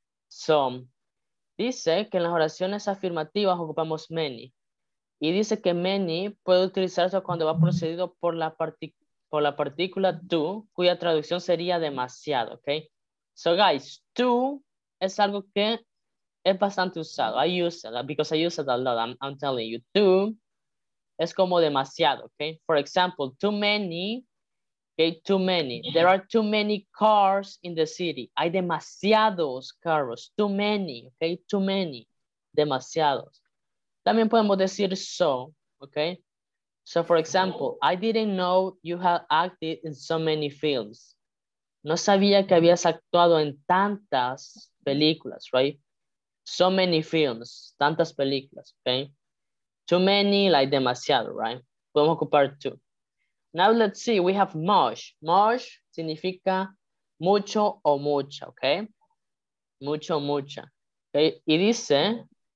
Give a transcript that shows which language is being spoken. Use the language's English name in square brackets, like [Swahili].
[Spanish] So, dice que en las oraciones afirmativas ocupamos many. Y dice que many puede utilizarse cuando va precedido por la partícula to, cuya traducción sería demasiado, ¿ok? So, guys, to es algo que es bastante usado. [English] I use it, because I use it a lot, I'm telling you. [Spanish] To es como demasiado, ¿ok? [English] For example, too many, okay, too many. There are too many cars in the city. [Spanish] Hay demasiados carros, [English] too many, ¿ok? [Spanish] Too many, demasiados. También podemos decir so, okay? [English] So for example, I didn't know you had acted in so many films. [Spanish] No sabía que habías actuado en tantas películas, right? [English] So many films, tantas películas, okay? Too many, like demasiado, right? [Spanish] Podemos ocupar two. [English] Now let's see, we have much. [Spanish] Much significa mucho o mucha, [English] okay? [Spanish] Mucho o mucha. [English] Okay? [Spanish] Y dice...